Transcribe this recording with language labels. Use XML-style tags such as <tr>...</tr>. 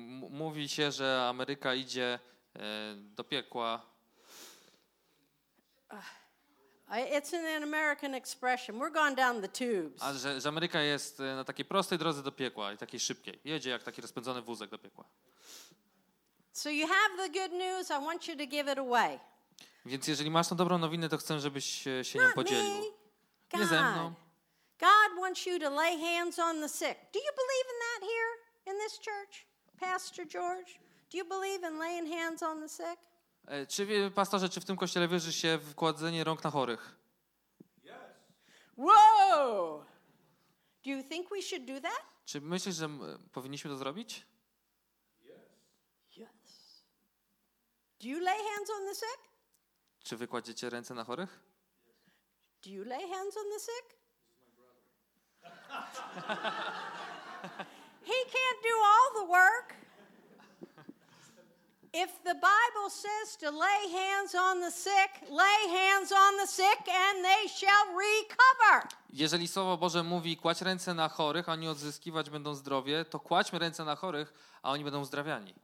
<pl>Mówi się, że Ameryka idzie do piekła.</pl> <en>It's an American expression. We're gone down the tubes.</en> <pl>A że Ameryka jest na takiej prostej drodze do piekła i takiej szybkiej. Jedzie jak taki rozpędzony wózek do piekła.</pl> <en>So you have the good news, I want you to give it away.</en> <pl>Więc jeżeli masz tą dobrą nowinę, to chcę, żebyś się nią podzielił. Nie ze mną.</pl> <en>God wants you to lay hands on the sick. Do you believe in that here in this church, Pastor George? Do you believe in laying hands on the sick?</en> <pl>Czy pastorze, czy w tym kościele wierzy się w kładzenie rąk na chorych?</pl> <en>Yes. Whoa! Do you think we should do that?</en> <pl>Czy myślisz, że powinniśmy to zrobić?</pl> <en>Yes. Do you lay hands on the sick?</en> <pl>Czy wy kładziecie ręce na chorych?</pl> <en>Do you lay hands on the sick? He can't do all the work. If the Bible says to lay hands on the sick, lay hands on the sick and they shall recover.</en> <pl>Jeżeli Słowo Boże mówi kładź ręce na chorych, a oni odzyskiwać będą zdrowie, to kładźmy ręce na chorych, a oni będą uzdrawiani.</pl>